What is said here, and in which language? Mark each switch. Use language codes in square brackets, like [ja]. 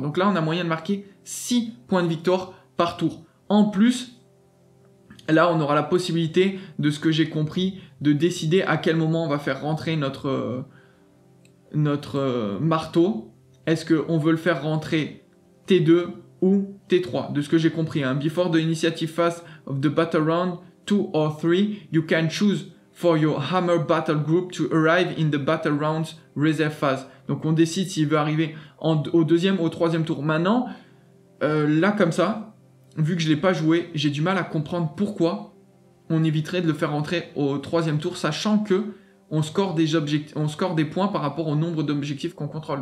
[fr] Donc là, on a moyen de marquer 6 points de victoire par tour. En plus, là, on aura la possibilité, de ce que j'ai compris, de décider à quel moment on va faire rentrer notre marteau. Est-ce qu'on veut le faire rentrer T2 ou T3, de ce que j'ai compris. Hein. [en] Before the initiative phase of the battle round 2 or 3, you can choose for your hammer battle group to arrive in the battle round's reserve phase. [fr] Donc on décide s'il veut arriver au deuxième ou au troisième tour. Maintenant, là comme ça, vu que je ne l'ai pas joué, j'ai du mal à comprendre pourquoi on éviterait de le faire rentrer au troisième tour, sachant que on score des points par rapport au nombre d'objectifs qu'on contrôle.